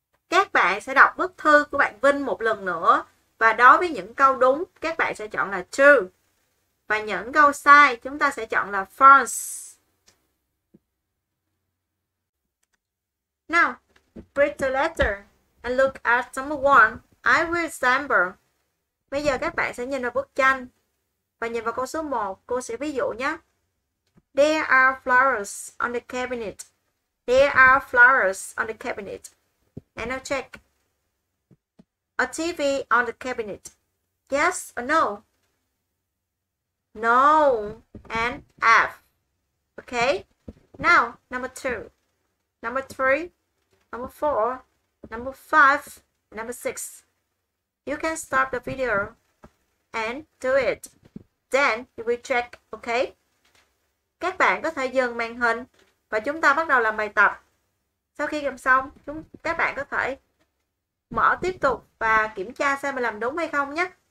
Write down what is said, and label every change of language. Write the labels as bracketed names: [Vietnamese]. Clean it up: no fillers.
[Vietnamese] Các bạn sẽ đọc bức thư của bạn Vinh một lần nữa, và đối với những câu đúng, các bạn sẽ chọn là true. Và những câu sai, chúng ta sẽ chọn là false. [English] Now, read the letter and look at number one. I will example. [Vietnamese] Bây giờ các bạn sẽ nhìn vào bức tranh và nhìn vào câu số 1. Cô sẽ ví dụ nhé. [English] There are flowers on the cabinet. There are flowers on the cabinet. And I'll check. A TV on the cabinet. Yes or no? No and F. Okay. Now, number two. Number three. Number four. Number five. Number six. You can stop the video and do it. Then you will check. Okay. [Vietnamese] Các bạn có thể dừng màn hình và chúng ta bắt đầu làm bài tập. Sau khi làm xong, các bạn có thể mở tiếp tục và kiểm tra xem mình làm đúng hay không nhé.